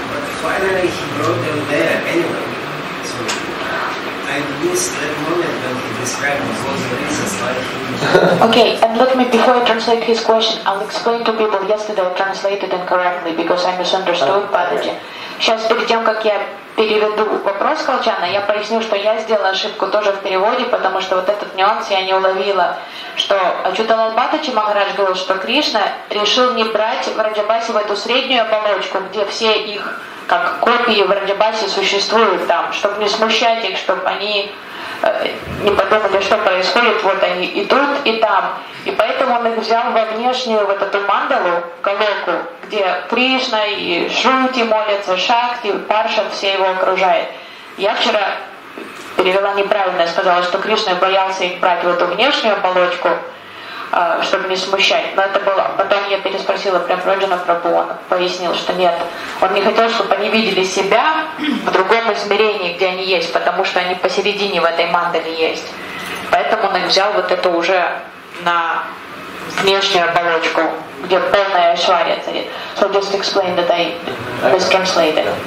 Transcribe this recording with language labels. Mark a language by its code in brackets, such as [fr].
[en] But finally, he brought them there anyway. So I missed that moment when he described all the reasons why he. Okay, and let me, before I translate his question, I'll explain to people yesterday I translated incorrectly because I misunderstood Bhattaji. [ru] Сейчас перед тем, как я переведу вопрос Колчана, я поясню, что я сделала ошибку тоже в переводе, потому что вот этот нюанс я не уловила, что Ачюта Лал Бхаттаджи Махарадж говорил, что Кришна решил не брать в Раджабасе в эту среднюю оболочку, где все их как копии в Раджабасе существуют там, чтобы не смущать их, чтобы они не подумали, что происходит, вот они и тут, и там. И поэтому он их взял во внешнюю вот эту мандалу, колоку, где Кришна и Шрути молятся, Шакти, Паршат все его окружают. Я вчера перевела неправильно, сказала, что Кришна боялся их брать в эту внешнюю оболочку, чтобы не смущать. Но это было. Потом я переспросила прям Раджана Прабху, он пояснил, что нет. Он не хотел, чтобы они видели себя в другом измерении, где они есть, потому что они посередине в этой мандале есть. Поэтому он их взял вот это уже на внешнюю оболочку, где полная Айшвария царит. [en] So just explain that I mistranslated.